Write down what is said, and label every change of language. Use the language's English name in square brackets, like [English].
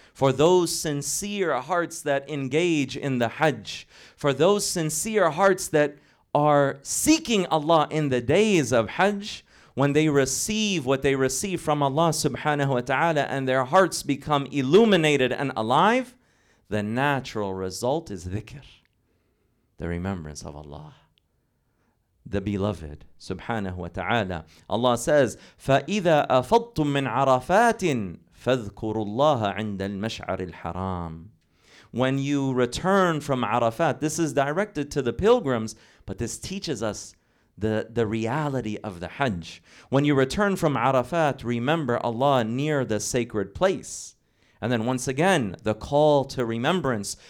[English] For those sincere hearts that engage in the Hajj, for those sincere hearts that are seeking Allah in the days of Hajj, when they receive what they receive from Allah subhanahu wa ta'ala and their hearts become illuminated and alive, the natural result is dhikr, the remembrance of Allah, the beloved, subhanahu wa ta'ala. Allah says, [Arabic] فَإِذَا أَفَضْتُم مِّنْ عَرَفَاتٍ فَاذْكُرُوا اللَّهَ عِنْدَ الْمَشْعَرِ الْحَرَامِ. [English] When you return from Arafat, this is directed to the pilgrims, but this teaches us the reality of the Hajj. When you return from Arafat, remember Allah near the sacred place. And then once again, the call to remembrance.